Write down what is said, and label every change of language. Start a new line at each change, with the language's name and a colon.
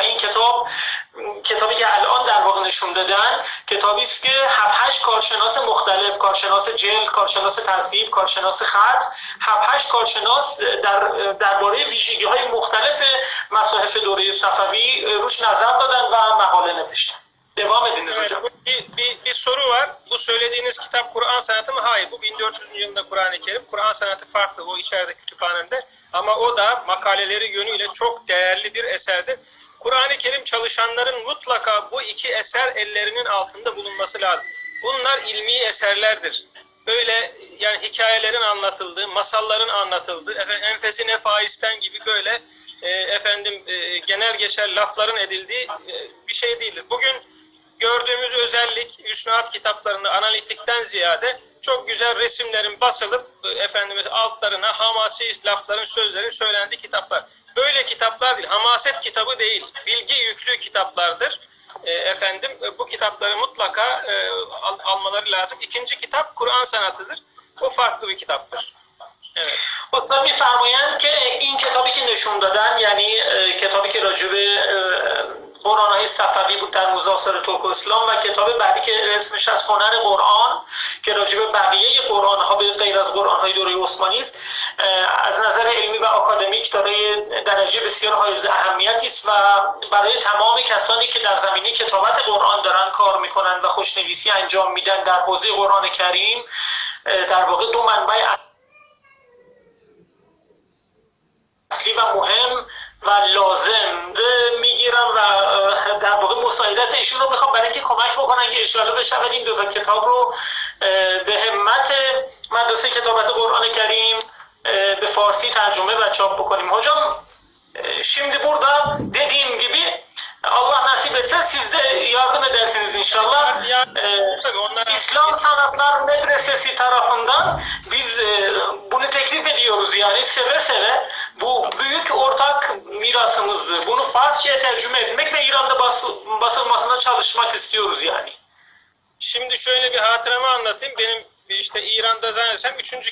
Persian: و این کتاب، کتابی که الان در واقع نشون دادن، کتابی است که 7-8 کارشناس مختلف، کارشناس جلد، کارشناس تذهیب، کارشناس خط، 7-8 کارشناس درباره ویژگی‌های مختلف مصاحف دوره صفوی روش نظر دادن و مقاله نوشتن.
Turkish: Devam ediniz hocam. Bir soru var. Bu söylediğiniz kitap Kur'an sanatı mı? Hayır. Bu 1400. yılında Kur'an-ı Kerim. Kur'an sanatı farklı. O içeride kütüphanemde. Ama o da makaleleri yönüyle çok değerli bir eserdir. Kur'an-ı Kerim çalışanların mutlaka bu iki eser ellerinin altında bulunması lazım. Bunlar ilmi eserlerdir. Böyle yani hikayelerin anlatıldığı, masalların anlatıldığı, efendim, enfesi nefaisten gibi böyle efendim genel geçer lafların edildiği bir şey değildir. Bugün gördüğümüz özellik üsnaat kitaplarında analitikten ziyade çok güzel resimlerin basılıp efendimiz altlarına hamasi lafların, sözlerin söylendiği kitaplar. Böyle kitaplar değil, hamaset kitabı değil, bilgi yüklü kitaplardır. Efendim bu kitapları mutlaka almaları lazım. İkinci kitap Kur'an sanatıdır. O farklı bir kitaptır. Evet.
Persian: Ustad می‌فرمایند که این کتابی که نشون دادن، یعنی کتابی که راجع به قرآن‌های صفوی بود در موزه آثار ترک اسلام و کتاب بعدی که اسمش از هنر قرآن که راجع به بقیه قرآن‌ها به غیر از قرآن‌های دوره عثمانی است، از نظر علمی و آکادمیک داره درجه بسیار های اهمیتی است و برای تمام کسانی که در زمینه کتابت قرآن دارن کار می‌کنن و خوشنویسی انجام میدن در حوزه قرآن کریم، در واقع دو منبع اصلی و مهم و لازم میگیرم و در واقع مساعدت ایشون رو میخوام برای اینکه کمک بکنن که انشاءالله بشود این دو تا کتاب رو به همت مدرسه کتابت قرآن کریم به فارسی ترجمه و چاپ بکنیم.
Turkish: هجام شیمدی بوردا دیدیم گیبی الله نصیب etse siz de yardım edersiniz inşallah. İslam Sanatlar Medresesi tarafından biz bunu teklif ediyoruz yani seve seve. Bu büyük ortak mirasımızdır. Bunu Farsça'ya tercüme etmek ve İran'da basılmasına çalışmak istiyoruz yani. Şimdi şöyle bir hatıramı anlatayım. Benim işte İran'da zannedersem 3.